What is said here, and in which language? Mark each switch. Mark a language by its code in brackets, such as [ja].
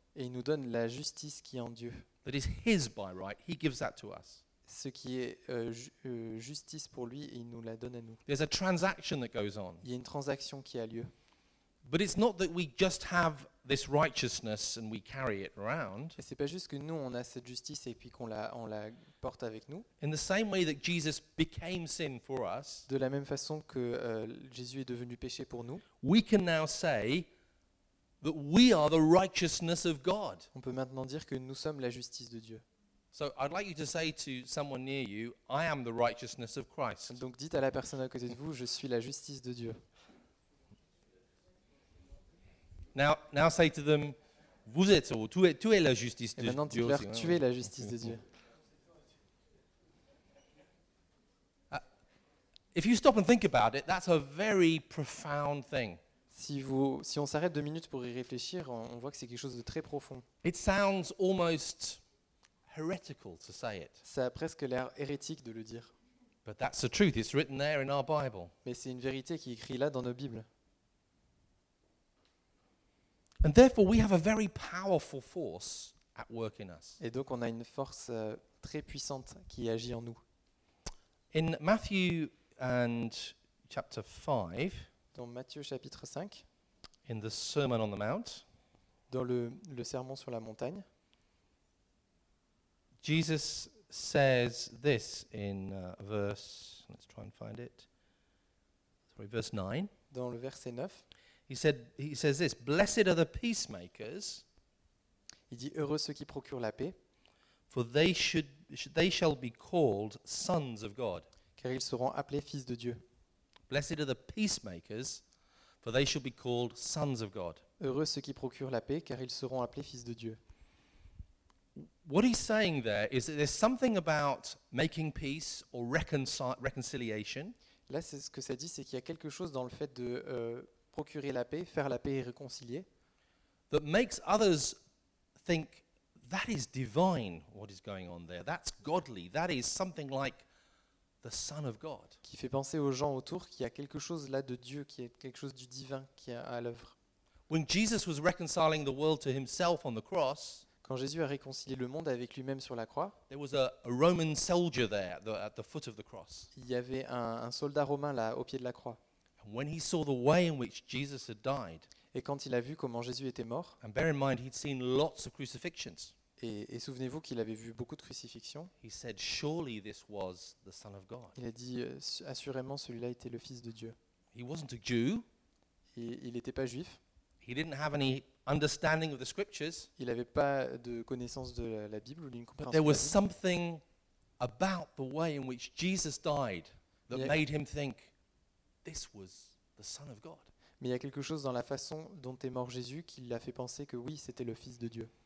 [fr] Et il nous donne la justice qui est en Dieu. [en] That is his by right. He gives that to us. [fr] Ce qui est justice pour lui, et il nous la donne à nous. [en] There's a transaction that goes on. [fr] Il y a une transaction qui a lieu. [en] But it's not that we just have this righteousness and we carry it around. [fr] Et c'est pas juste que nous on a cette justice et puis qu'on la porte avec nous. [en] In the same way that Jesus became sin for us. [fr] De la même façon que Jésus est devenu péché pour nous. [en] We can now say that we are the righteousness of God. [fr] On peut maintenant dire que nous sommes la justice de Dieu. [en] So I'd like you to say to someone near you, I am the righteousness of Christ. [fr] Donc dites à la personne à côté de vous, je suis la justice de Dieu. [en] Now say to them, [fr] vous êtes ou tu es la justice de Dieu. Et maintenant dites leur, tu es la justice de Dieu. [en] If you stop and think about it, that's a very profound thing. [fr] Si on s'arrête deux minutes pour y réfléchir, on voit que c'est quelque chose de très profond. [en] It sounds almost heretical to say it. Ça a presque l'air hérétique de le dire. But that's the truth. It's written there in our Bible. [fr] Mais c'est une vérité qui est écrite là dans nos Bibles. [en] And therefore, we have a very powerful force at work in us. [fr] Et donc, on a une force très puissante qui agit en nous. [en] In Matthew and chapter 5. [fr] Dans Matthieu chapitre 5, [en] in the Sermon on the Mount, [fr] dans le sermon sur la montagne, [en] Jesus says this in verse. Let's try and find it. Sorry, verse 9. [fr] Dans le verset 9, [en] he says this. Blessed are the peacemakers. [fr] Il dit heureux ceux qui procurent la paix. [en] For they shall be called sons of God. [fr] Car ils seront appelés fils de Dieu. [en] Blessed are the peacemakers, for they shall be called sons of God. [fr] Heureux ceux qui procurent la paix, car ils seront appelés fils de Dieu. [en] What he's saying there is that there's something about making peace or reconciliation. [fr] Là, c'est ce que ça dit, c'est qu'il y a quelque chose dans le fait de procurer la paix, faire la paix et réconcilier. [en] That makes others think that is divine what is going on there. That's godly. That is something like the Son of God. [fr] Qui fait penser aux gens autour qu'il y a quelque chose là de Dieu, qui est quelque chose du divin qui est à l'œuvre. [en] When Jesus was reconciling the world to himself on the cross, [fr] quand Jésus a réconcilié le monde avec lui-même sur la croix, [en] there was a Roman soldier there at the foot of the cross. [fr] Il y avait un soldat romain là au pied de la croix. [en] And when he saw the way in which Jesus had died, [fr] et quand il a vu comment Jésus était mort, [en] and bear in mind he'd seen lots of crucifixions, [fr] et souvenez-vous qu'il avait vu beaucoup de crucifixions, [en] he said, "Surely this was the Son of God." [fr] Il a dit, assurément celui-là était le Fils de Dieu. [en] He wasn't a Jew. [fr] Il n'était pas juif. [en] He didn't have any understanding of the scriptures. [fr] Il n'avait pas de connaissance de la Bible ou d'une compréhension. [en] But there was something about the way in which Jesus died that made him think this was the Son of God. [fr] Mais il y a quelque chose dans la façon dont est mort Jésus qui l'a fait penser que oui, c'était le Fils de Dieu.